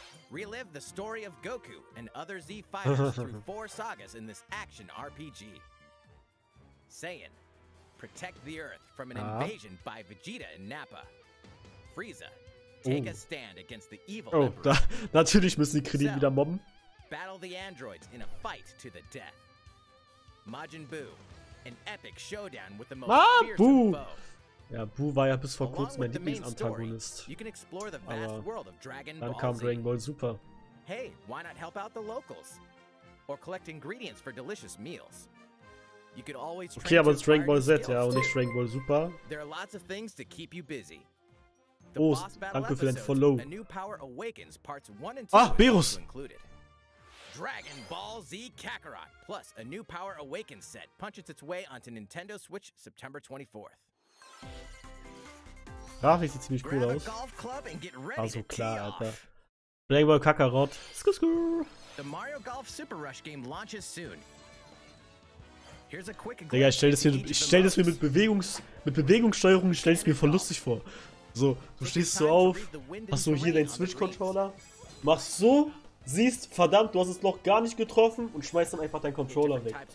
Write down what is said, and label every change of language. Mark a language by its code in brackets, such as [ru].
[en] Relive the story of Goku and other Z fighters through four sagas in this action RPG. Saiyan, protect the Earth from an invasion by Vegeta and Nappa. Frieza, take a stand against the evil Emperor. [de] Oh, da, natürlich müssen die Krillin wieder mobben. [en] Battle the androids in a fight to the death. Majin Buu. An epic showdown with the most Boo! [de] Ja, Boo war ja bis vor kurzem mein Lieblingsantagonist. Aber dann kam Dragon Ball Super. [en] Hey, why not help out the locals? Or collect ingredients for delicious meals? You could always train. [de] Okay, aber es ist Dragon Ball Z, ja, und nicht Dragon Ball Super. [en] There are lots of things to keep you busy. [de] Oh, danke für dein Follow. [en] A new power awakens parts 1 and 2. Ach, Beerus! Dragon Ball Z Kakarot plus a new Power Awakens set punches its way onto Nintendo Switch September 24th. [de] Grafik sieht ziemlich cool aus. Also klar, Alter. Dragon Ball Kakarot. Skuskur. [en] The Mario Golf Super Rush game launches soon. Here's a quick glimpse. [de] Digga, ich stell das mir mit Bewegungssteuerung, ich stell es mir voll lustig vor. So, du stehst so auf, hast so hier deinen Switch Controller, machst so. Siehst, verdammt, du hast es noch gar nicht getroffen und schmeißt dann einfach deinen Controller weg.